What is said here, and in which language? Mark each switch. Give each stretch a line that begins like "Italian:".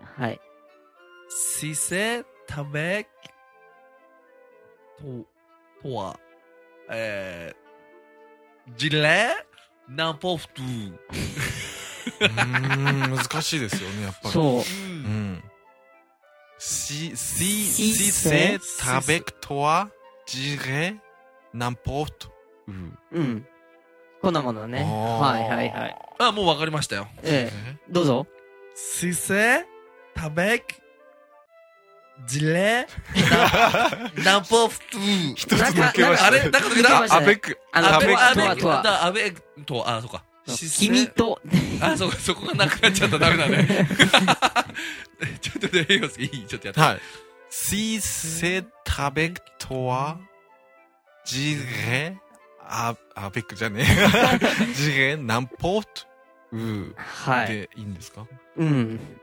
English: Hi.
French: Si c'est avec toi. J'irai n'importe où.
Japanese: 難しいですよね、やっぱり。そう。うん。
French: Si c'est avec toi, j'irai n'importe où.
Japanese: うん。こんなものね。はいはいはい。あ、もうわかりましたよ。どうぞ。
French: Si c'est avec j'irai n'importe où.
Japanese: 一つ抜けました。あれ、なんか抜けた。
French: Avec toi. Avec toi.
Japanese: あ、そっか。君と。あ、そこ、そこがなくなっちゃったらダメだね。ちょっとね、英語好き。ちょっとやって。はい。
French: Si c'est avec toi, j'irai, avec
Japanese: じゃねえ。
French: j'irai n'importe où.
Japanese: はい。で、いいんですか？うん。